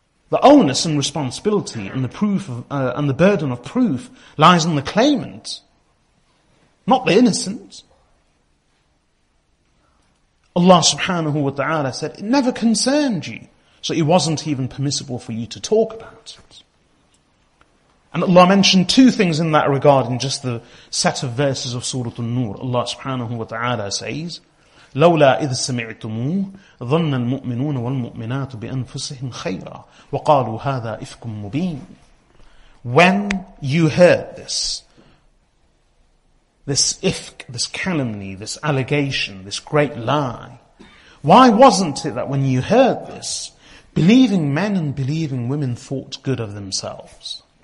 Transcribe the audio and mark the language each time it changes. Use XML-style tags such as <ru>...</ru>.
<en>The onus and responsibility and the proof of, and the burden of proof lies on the claimant, not the innocent. Allah subhanahu wa ta'ala said, it never concerned you. So it wasn't even permissible for you to talk about it. And Allah mentioned two things in that regard in just the set of verses of Surah An-Nur. Allah subhanahu wa ta'ala says,</en> <ar>لَوْلَا إِذْ سَمِعْتُمُوهُ ظَنَّ الْمُؤْمِنُونَ وَالْمُؤْمِنَاتُ بِأَنفُسِهِمْ خَيْرًا وَقَالُوا هَذَا إِفْكٌ مُبِينٌ.</ar> <en>When you heard this, this ifk, this calumny, this allegation, this great lie, why wasn't it that when you heard this, believing men and believing women thought good of themselves?</en>